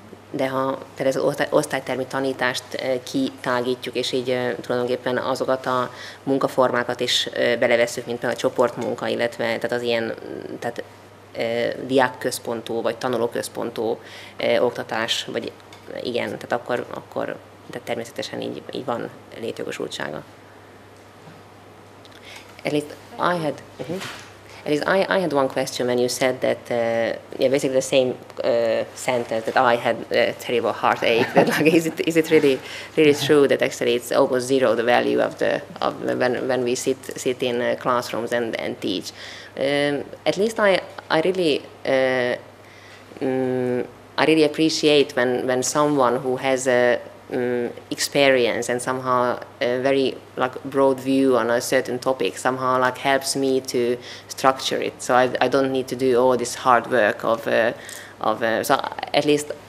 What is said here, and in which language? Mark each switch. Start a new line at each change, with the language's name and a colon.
Hungarian: De ha tehát az osztálytermi tanítást kitágítjuk, és így tulajdonképpen azokat a munkaformákat is belevesszük, mint például a csoportmunka, illetve tehát az ilyen tehát, diákközpontú, vagy tanulóközpontú oktatás, vagy igen, tehát akkor de természetesen így van létjogosultsága.
English: At least I had one question when you said that yeah, basically the same sentence that I had terrible heartache. That like is it really true that actually it's almost zero the value of the of when we sit in classrooms and teach? At least I really appreciate when someone who has a experience and somehow a very like broad view on a certain topic somehow like helps me to structure it, so I don't need to do all this hard work so at least